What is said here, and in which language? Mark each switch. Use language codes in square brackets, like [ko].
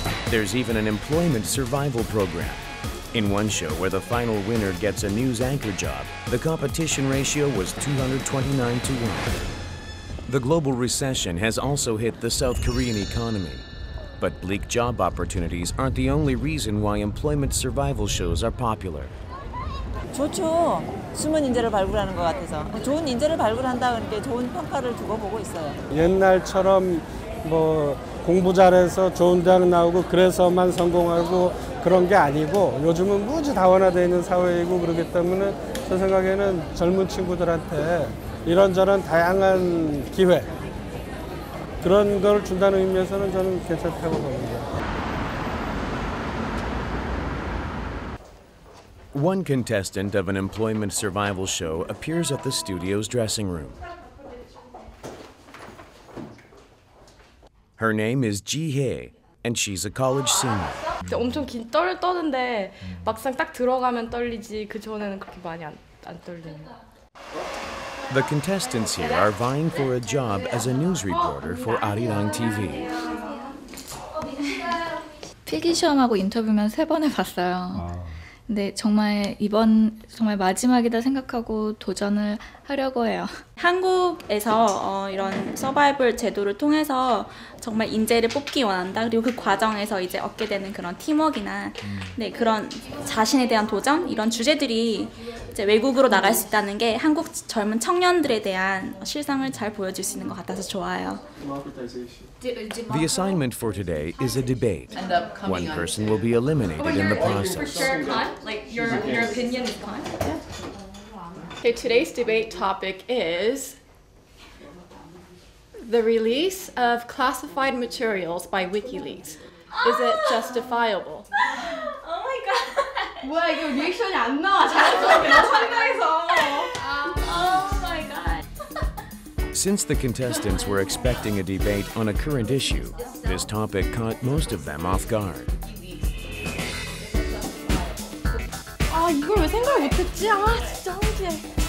[en] There's even an employment survival program. In one show where the final winner gets a news anchor job, the competition ratio was 229 to 1. The global recession has also hit the South Korean economy. But bleak job opportunities aren't the only reason why employment survival shows are popular. [ko] 좋죠. 숨은 인재를 발굴하는 것 같아서 좋은 인재를 발굴한다 그렇게 좋은 평가를 두고 보고 있어요. 옛날처럼 뭐 공부 잘해서 좋은 대학 나오고 그래서만 성공하고 그런 게 아니고 요즘은 무지 다원화되어 있는 사회이고 그렇기 때문에 제 생각에는 젊은 친구들한테 이런저런 다양한 기회 그런 걸 준다는 의미에서는 저는 괜찮다고 봅니다. [en] One contestant of an employment survival show appears at the studio's dressing room. Her name is Ji Hae, and she's a college senior. [ko] 엄청 긴 떨 떠는데 막상 딱 들어가면 떨리지 그 전에는 그렇게 많이 안 떨리는. [en] The contestants here are vying for a job as a news reporter for Arirang TV. [ko] 필기 시험하고 인터뷰면 세 번을 봤어요. 근데 정말 이번 정말 마지막이다 생각하고 도전을 하려고 해요. 한국에서 이런 서바이벌 제도를 통해서 정말 인재를 뽑기 원한다. 그리고 그 과정에서 이제 얻게 되는 그런 팀워크나 네, 그런 자신에 대한 도전 이런 주제들이 이제 외국으로 나갈 수 있다는 게 한국 젊은 청년들에 대한 실상을 잘 보여줄 수 있는 것 같아서 좋아요. [en] The assignment for today is a debate. One person will be eliminated in the process. For sure, pun? Like your opinion is pun? Okay, today's debate topic is the release of classified materials by WikiLeaks. Is it justifiable? Oh my god! [ko] 뭐야 이거 리액션이 안 나와 잘했어 현장에서. [en] Since the contestants were expecting a debate on a current issue, this topic caught most of them off guard. [ko] 아 이걸 왜 생각 못했지? 아 진짜 황제.